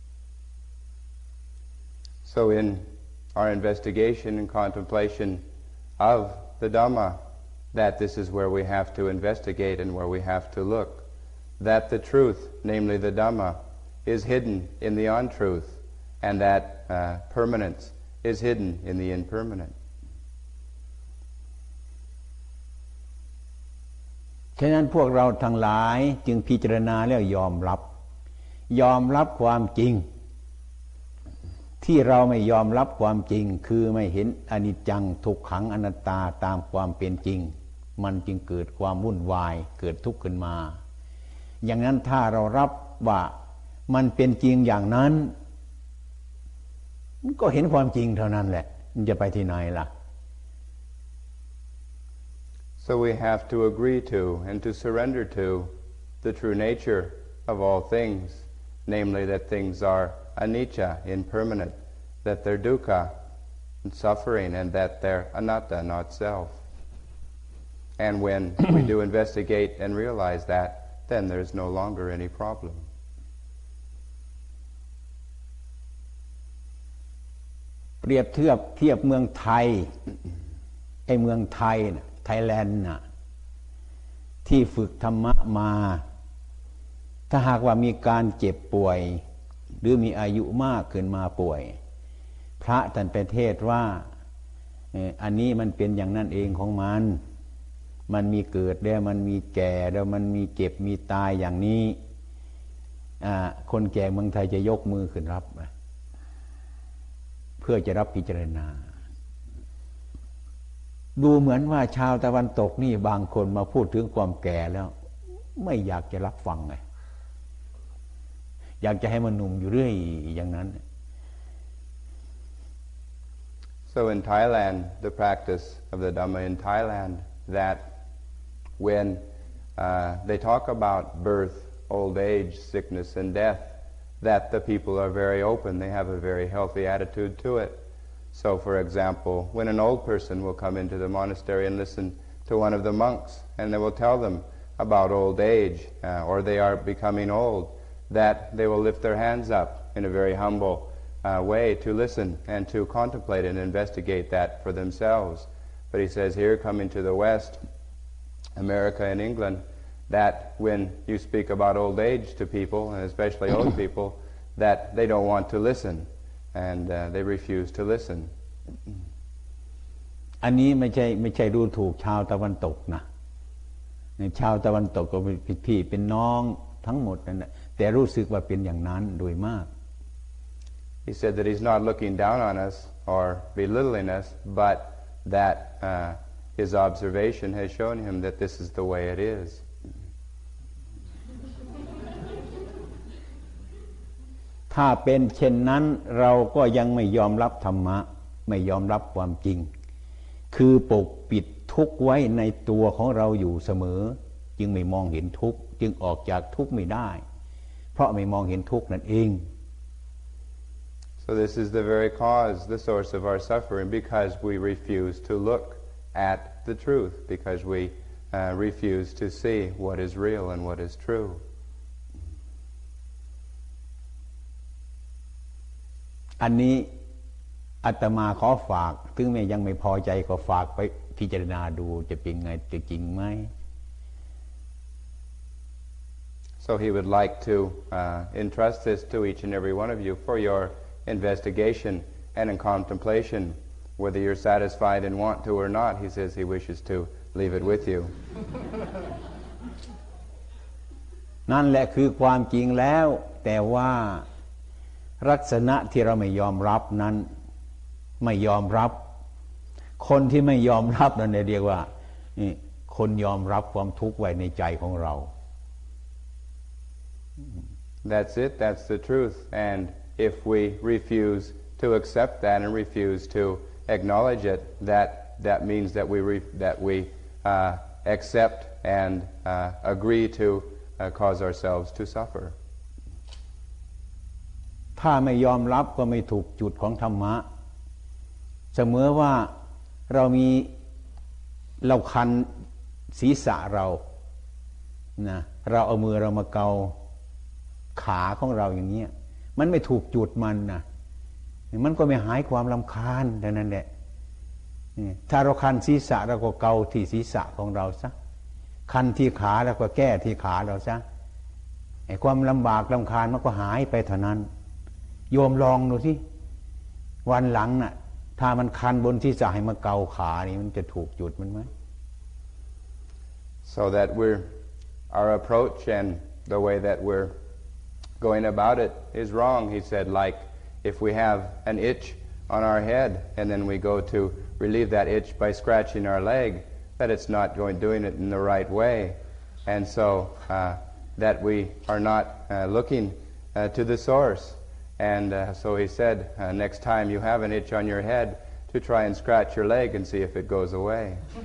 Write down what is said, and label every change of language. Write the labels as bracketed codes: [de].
[en] So in our investigation and contemplation of the Dhamma that this is where we have to investigate and where we have to look that the truth namely the Dhamma is hidden in the untruth and that permanence is hidden in the impermanent [th] ฉะนั้นพวกเราทั้งหลายจึงพิจารณาแล้วยอมรับยอมรับความจริงที่เราไม่ยอมรับความจริงคือไม่เห็นอนิจจังทุกขังอนัตตาตามความเป็นจริงมันจึงเกิดความวุ่นวายเกิดทุกข์ขึ้นมาอย่างนั้นถ้าเรารับว่ามันเป็นจริงอย่างนั้นก็เห็นความจริงเท่านั้นแหละมันจะไปที่ไหนล่ะ [en] So we have to agree to and to surrender to the true nature of all things, namely that things are anicca, impermanent, that they're dukkha, and suffering, and that they're anatta, not self. And when we do investigate and realize that, then there's no longer any problem. [th] เปรียบเทียบเทียบเมืองไทยไอ้เมืองไทยน่ะไทยแลนด์น่ะที่ฝึกธรรมะมา ถ้าหากว่ามีการเจ็บป่วยหรือมีอายุมากขึ้นมาป่วยพระท่านไปเทศว่าอันนี้มันเป็นอย่างนั้นเองของมันมันมีเกิดแล้วมันมีแก่แล้วมันมีเจ็บมีตายอย่างนี้คนแก่เมืองไทยจะยกมือขึ้นรับเพื่อจะรับพิจารณา ดูเหมือนว่าชาวตะวันตกนี่บางคนมาพูดถึงความแก่แล้วไม่อยากจะรับฟังไงอยากจะให้มันหนุ่มอยู่เรื่อยอย่างนั้น [en] So in Thailand the practice of the Dhamma in Thailand that whenthey talk about birth old age sickness and death that the people are very open they have a very healthy attitude to it so for example when an old person will come into the monastery and listen to one of the monks and they will tell them about old age or they are becoming old that they will lift their hands up in a very humble way to listen and to contemplate and investigate that for themselves but he says here coming to the West America and England that when you speak about old age to people and especially old people that they don't want to listen and they refuse to listen [th] อันนี้ไม่ใช่ดูถูกชาวตะวันตกนะในชาวตะวันตกก็พี่เป็นน้องทั้งหมดนั่นแหละแต่รู้สึกว่าเป็นอย่างนั้นโดยมาก [en] He said that he's not looking down on us or belittling us but thathis observation has shown him that this is the way it is [th] ถ้าเป็นเช่นนั้นเราก็ยังไม่ยอมรับธรรมะไม่ยอมรับความจริงคือปกปิดทุกข์ไว้ในตัวของเราอยู่เสมอจึงไม่มองเห็นทุกข์จึงออกจากทุกข์ไม่ได้เพราะไม่มองเห็นทุกข์นั่นเอง [en] So this is the very cause the source of our suffering because we refuse to lookat the truth because we refuse to see what is real and what is true [th] อันนี้อาตมาขอฝากถึงแม้ยังไม่พอใจก็ฝากไปพิจารณาดูจะเป็นไงจะจริงไหม [en] So he would like to entrust this to each and every one of you for your investigation and in contemplationWhether you're satisfied and want to or not, he says he wishes to leave it with you. [th] นั่นแหละคือความจริงแล้วแต่ว่าลักษณะที่เราไม่ยอมรับนั้นไม่ยอมรับ คนที่ไม่ยอมรับนั่นเรียกว่าคนยอมรับความทุกข์ไว้ในใจของเรา [en] That's it. That's the truth. And if we refuse to accept that and refuse to acknowledge it, that means that we accept and agree to cause ourselves to suffer. [th] ถ้าไม่ยอมรับก็ไม่ถูกจุดของธรรมะเสมอว่าเรามีเราคันศีรษะเรานะเราเอามือเรามาเกาขาของเราอย่างนี้มันไม่ถูกจุดมันนะมันก็ไม่หายความรำคาญดังนั้นแหละ ถ้าเราคันศีรษะเราก็เกาที่ศีรษะของเราซะคันที่ขาเราก็แก้ที่ขาเราซะไอ้ความลำบากรำคาญมันก็หายไปเท่านั้นโยมลองดูสิวันหลังน่ะถ้ามันคันบนที่จะให้มาเกาขานี่มันจะถูกจุดมันไหม [en] So that we're our approach and the way that we're going about it is wrong he said like if we have an itch on our head and then we go to relieve that itch by scratching our leg that it's not going doing it in the right way and so that we are not looking to the sourceAnd so he said, next time you have an itch on your head, to try and scratch your leg and see if it goes away.